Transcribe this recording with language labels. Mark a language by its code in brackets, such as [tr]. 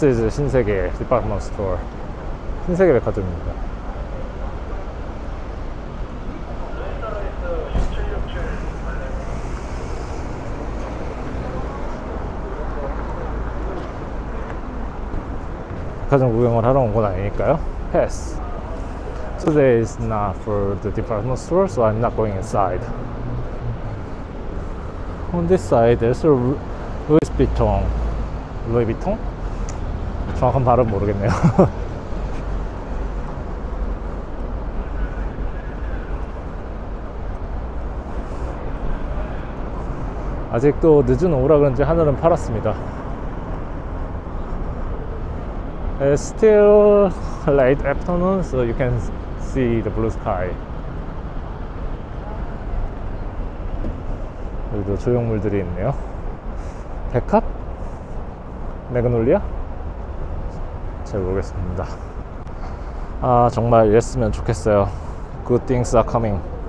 [ko] 신세계 디파트먼트 스토어, 신세계 백화점입니다. 백화점 구경을 하러 온 건 아니니까요. [en] Yes. Today is not for the department store, so I'm not going inside. On this side, there's a Louis Vuitton. Louis Vuitton? [ko] 정확한 발음 모르겠네요. 아직도 늦은 오후라 그런지 하늘은 파랗습니다. [en] It's still late afternoon, so you can see the blue sky. [ko] 여기도 조형물들이 있네요. 백합? 매그놀리아? 잘 모르겠습니다. 아, 정말 이랬으면 좋겠어요. [en] Good things are coming.